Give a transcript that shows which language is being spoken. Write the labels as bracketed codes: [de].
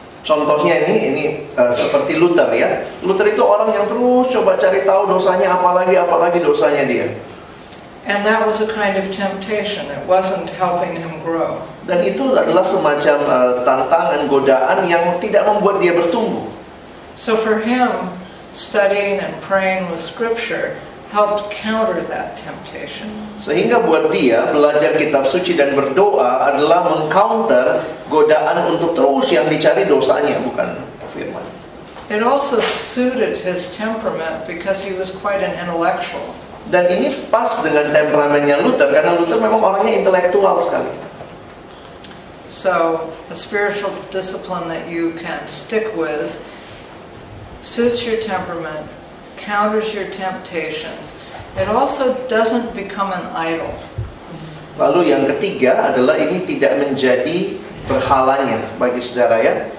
[id] Contohnya ini seperti Luther ya. Luther itu orang yang terus coba cari tahu dosanya apalagi dosanya dia. [en] And that was a kind of temptation. It wasn't helping him grow. [id] Dan itu adalah semacam tantangan godaan yang tidak membuat dia bertumbuh. [en] So for him, studying and praying with Scripture helped counter that temptation. [id] Sehingga buat dia belajar kitab suci dan berdoa adalah mengcounter godaan untuk terus yang dicari dosanya, bukan firman. [en] It also suited his temperament because he was quite an intellectual. [id] Dan ini pas dengan temperamennya Luther karena Luther memang orangnya intelektual sekali. [en] So, a spiritual discipline that you can stick with suits your temperament, counters your temptations. It also doesn't become an idol. [id] Lalu yang ketiga adalah ini tidak menjadi berhalanya bagi saudara ya.